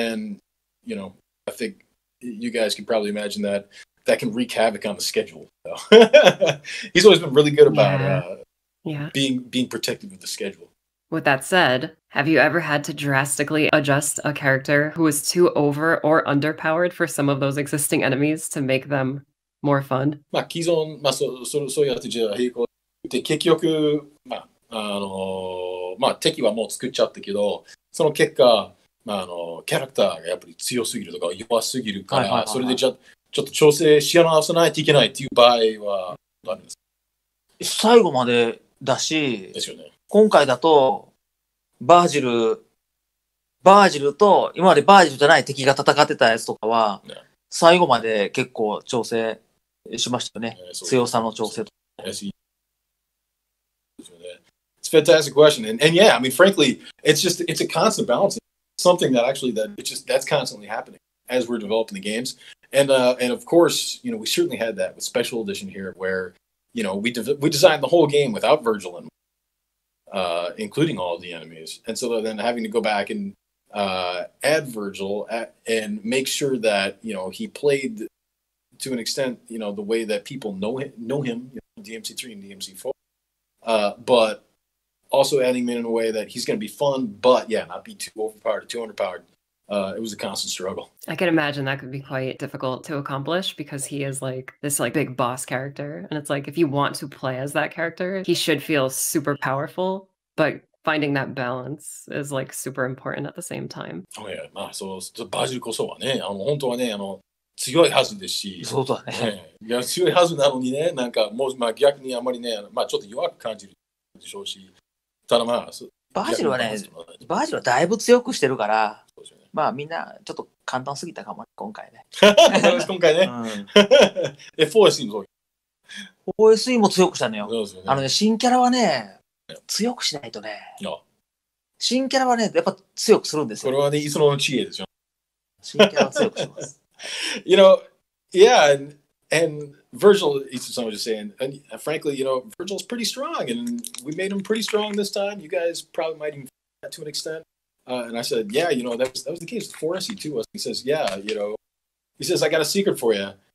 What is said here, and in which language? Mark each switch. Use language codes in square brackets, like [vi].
[en] And, you know, I think you guys can probably imagine that that can wreak havoc on the schedule. So. He's always been really good about being protective of the schedule. With that said, have you ever had to drastically adjust a character who is too over or underpowered for some of those existing enemies to make them more fun? [ja] まあ既存、まあ、そうやってじゃあ平行で結局、まあ、まあ敵はもう作っちゃったけど、その結果、まあ、キャラクターがやっぱり強すぎるとか弱すぎるから、はいはいはいはい、それでちょっと調整し直さないといけないっていう場合はあるんですか？最後までだし、ですよね、今回だとバージルと今までバージルじゃない敵が戦ってたやつとかは、ね、最後まで結構調整しましたよね。強さの調整と。 [en] It's a fantastic question. And yeah, I mean, frankly, it's a constant balancing. Something that actually, that's constantly happening as we're developing the games. And of course, you know, we certainly had that with Special Edition here where, you know, we designed the whole game without Virgil in, including all of the enemies. And so then having to go back and add Virgil and make sure that, you know, he played to an extent, you know, the way that people know him, you know, DMC3 and DMC4. But also adding him in a way that he's going to be fun, but yeah, not be too overpowered or too underpowered. It was a constant struggle. I can imagine that could be quite difficult to accomplish because he is like this like big boss character. And it's like, if you want to play as that character, he should feel super powerful, but finding that balance is like super important at the same time. [ja] Oh yeah, まあ、そう、バジルこそはね、あの、本当はね、あの、強いはずですし。そうだね。いや、強いはずなのにね、なんか、もう、まあ、逆にあんまりね、まあ、ちょっと弱く感じるでしょうし。ただまあ、バジルはね、バジルはだいぶ強くしてるから、まあ、みんな、ちょっと簡単すぎたかも、今回ね。今回ね。え、4SEもそう。4SEも強くしたのよ。そうですね。あのね、新キャラはね、強くしないとね。新キャラはね、やっぱ強くするんですよ。これはね、いつもの知恵ですよ。新キャラは強くします。 [en] You know, yeah, and Virgil, Itsuno was just saying, and frankly, you know, Virgil's pretty strong, and we made him pretty strong this time. You guys probably might even feel that to an extent. And I said, yeah, you know, that was the case. 4SE too was. He says, yeah, you know, he says, I got a secret for you.